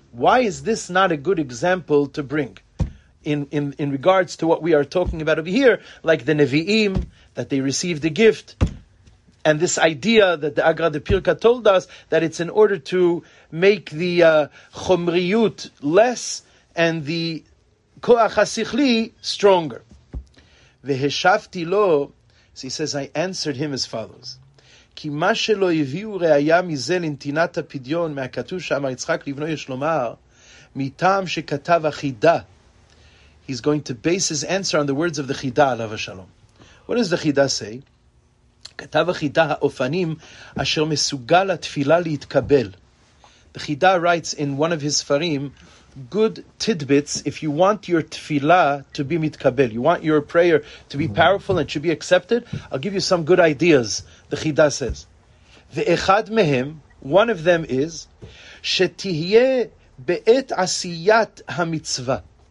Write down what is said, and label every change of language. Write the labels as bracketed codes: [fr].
[en] Why is this not a good example to bring in regards to what we are talking about over here, like the Nevi'im, that they received a gift, and this idea that the Agra de Pirka told us, that it's in order to make the chomriyut less and the koach hasichli stronger. [he] Veheshavti lo, [en] so he says, I answered him as follows. [he] כי מה שלא הביאו ראייה מזה לנתינת הפדיון מהכתוב שאמר יצחק לבנו יש לומר, מטעם שכתב החידה. [en] He's going to base his answer on the words of the חידה עליו השלום. What does the חידה say? [he] כתב החידה האופנים אשר מסוגל התפילה להתקבל. [en] The חידה writes in one of his ספרים, good tidbits if you want your tefila to be mitkabel, you want your prayer to be powerful and to be accepted, I'll give you some good ideas, the Chida says. [he] Ve'echad mehem, [en] one of them is, [he] shetihye be'et asiyat ha-mitzvah.